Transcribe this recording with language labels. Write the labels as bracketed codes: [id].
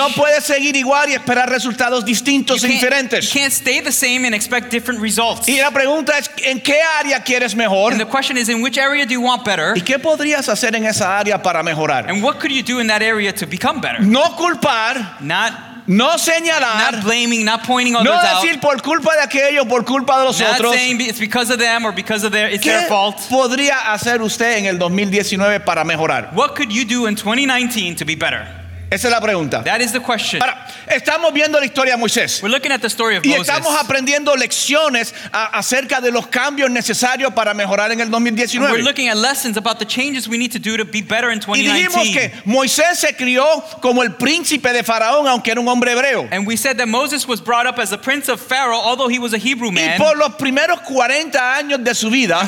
[es] No puedes seguir igual y esperar resultados distintos y diferentes. [en] You can't stay the same and expect different results. [es] Y la pregunta es ¿en qué área quieres mejor? [en] And the question is in which area do you want better? [es] ¿Y qué podrías hacer en esa área para mejorar? [en] And what could you do in that area to become better? [es] No culpar. [en] Not [es] no señalar, [en] not blaming, not pointing others [es] no decir [en] out, [es] por culpa de aquello, por culpa de los [en] not [es] otros. [en] Saying it's because of them or because of their it's their fault. [es] ¿Qué podría hacer usted en el 2019 para mejorar? [en] What could you do in 2019 to be better? [es] Esa es la pregunta. [en] That is the question. [es] Ahora, estamos viendo la historia de Moisés. [en] We're looking at the story of [es] y estamos [en] Moses. [es] Aprendiendo lecciones acerca de los cambios necesarios para mejorar en el 2019. [en] And we're looking at lessons about the changes we need to do to be better in 2019. [es] Y dijimos que Moisés se crió como el príncipe de Faraón aunque era un hombre hebreo. [en] And we said that Moses was brought up as the prince of Pharaoh although he was a Hebrew man. [es] Y por los primeros 40 años de su vida,